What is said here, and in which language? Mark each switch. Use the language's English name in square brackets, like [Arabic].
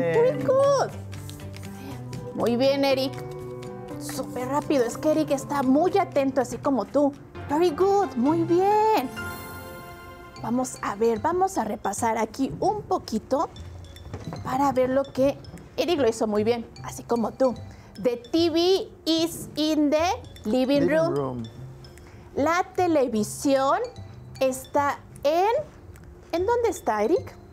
[English] Very good. [Spanish] Muy bien, Eric. Súper rápido. Es que Eric está muy atento, así como tú. [English] Very good, [Spanish] muy bien. Vamos a ver, vamos a repasar aquí un poquito para ver lo que Eric lo hizo muy bien, así como tú. [English] The TV is in the living room. Living room. [Spanish] La televisión está en... ¿En dónde está, Eric?